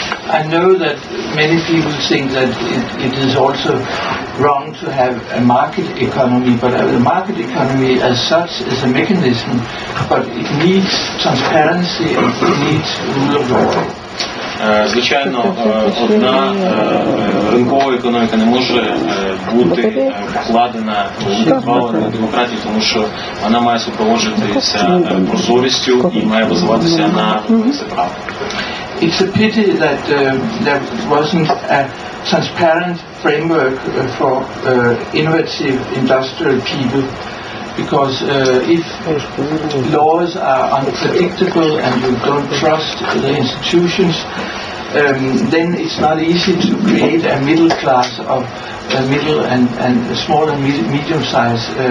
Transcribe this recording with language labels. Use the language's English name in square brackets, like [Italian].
[English] I know that many people think that it is also wrong to have a market economy, but the market economy as such is a mechanism, but it needs transparency and it needs rule of law. [Ukrainian] Звичайно, одна ринкова економіка не може бути вкладена в демократію, тому що вона має супроводжуватися прозорістю і має базуватися на правах. [English] It's a pity that there wasn't a transparent framework for innovative industrial people, because if laws are unpredictable and you don't trust the institutions, then it's not easy to create a middle class of middle and small and medium-sized